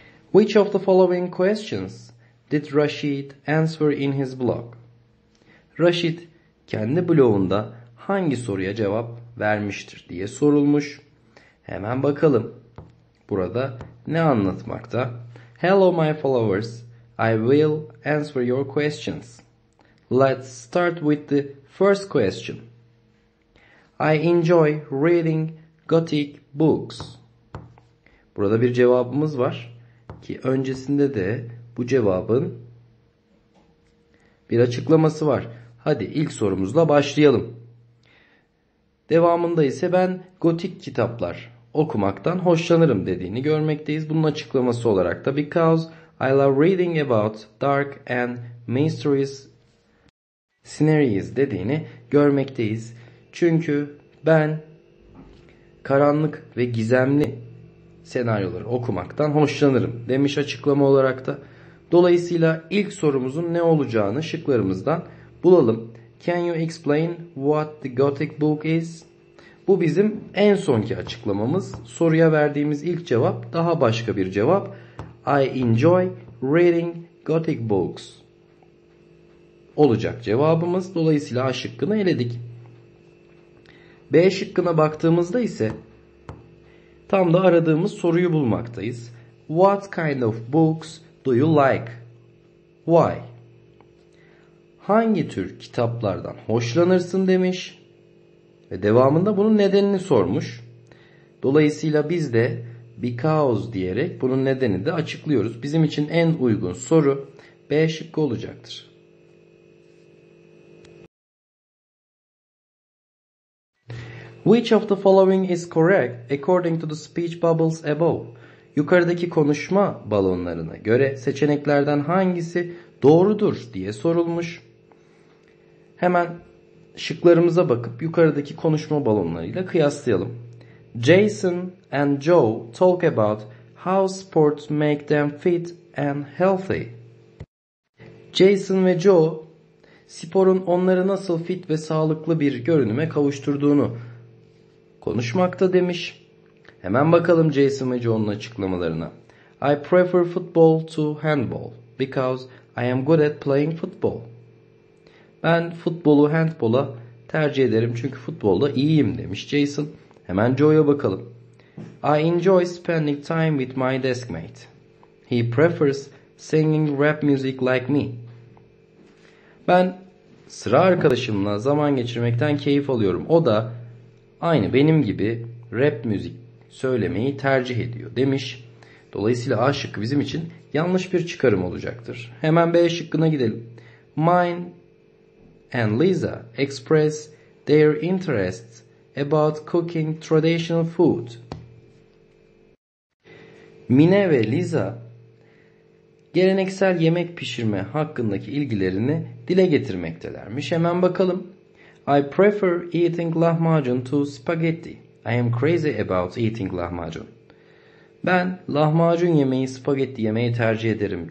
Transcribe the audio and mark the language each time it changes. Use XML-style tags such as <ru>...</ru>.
<en>Which of the following questions did Rashid answer in his blog?</en> <tr>Rashid kendi blogunda hangi soruya cevap vermiştir diye sorulmuş. Hemen bakalım burada ne anlatmakta.</tr> <en>Hello my followers, I will answer your questions. Let's start with the first question. I enjoy reading gothic books.</en> <tr>Burada bir cevabımız var ki öncesinde de bu cevabın bir açıklaması var. Hadi ilk sorumuzla başlayalım. Devamında ise ben gotik kitaplar okumaktan hoşlanırım dediğini görmekteyiz. Bunun açıklaması olarak da</tr> <en>because I love reading about dark and mysterious scenarios</en> <tr>dediğini görmekteyiz. Çünkü ben karanlık ve gizemli senaryoları okumaktan hoşlanırım demiş açıklama olarak da. Dolayısıyla ilk sorumuzun ne olacağını şıklarımızdan bulalım.</tr> <en>Can you explain what the gothic book is?</en> <tr>Bu bizim en sonki açıklamamız. Soruya verdiğimiz ilk cevap daha başka bir cevap.</tr> <en>I enjoy reading gothic books</en> <tr>olacak cevabımız. Dolayısıyla A şıkkını eledik. B şıkkına baktığımızda ise tam da aradığımız soruyu bulmaktayız.</tr> <en>What kind of books do you like? Why?</en> <tr>Hangi tür kitaplardan hoşlanırsın demiş. Ve devamında bunun nedenini sormuş. Dolayısıyla biz de because diyerek bunun nedenini de açıklıyoruz. Bizim için en uygun soru B şıkkı olacaktır.</tr> <en>Which of the following is correct according to the speech bubbles above?</en> <tr>Yukarıdaki konuşma balonlarına göre seçeneklerden hangisi doğrudur diye sorulmuş. Hemen şıklarımıza bakıp yukarıdaki konuşma balonlarıyla kıyaslayalım.</tr> <en>Jason and Joe talk about how sports make them fit and healthy.</en> <tr>Jason ve Joe sporun onları nasıl fit ve sağlıklı bir görünüme kavuşturduğunu konuşmakta demiş. Hemen bakalım Jason ve Joe'nun açıklamalarına.</tr> <en>I prefer football to handball because I am good at playing football.</en> <tr>Ben futbolu handball'a tercih ederim çünkü futbolda iyiyim demiş Jason. Hemen Joe'ya bakalım.</tr> <en>I enjoy spending time with my deskmate. He prefers singing rap music like me.</en> <tr>Ben sıra arkadaşımla zaman geçirmekten keyif alıyorum. O da aynı benim gibi rap müzik söylemeyi tercih ediyor demiş. Dolayısıyla A şıkkı bizim için yanlış bir çıkarım olacaktır. Hemen B şıkkına gidelim.</tr> <en>Mine and Lisa express their interests about cooking traditional food.</en> <tr>Mine ve Liza geleneksel yemek pişirme hakkındaki ilgilerini dile getirmektelermiş. Hemen bakalım.</tr> <en>I prefer eating lahmacun to spaghetti. I am crazy about eating lahmacun.</en> <tr>Ben lahmacun yemeği spagetti yemeği tercih ederim.</tr>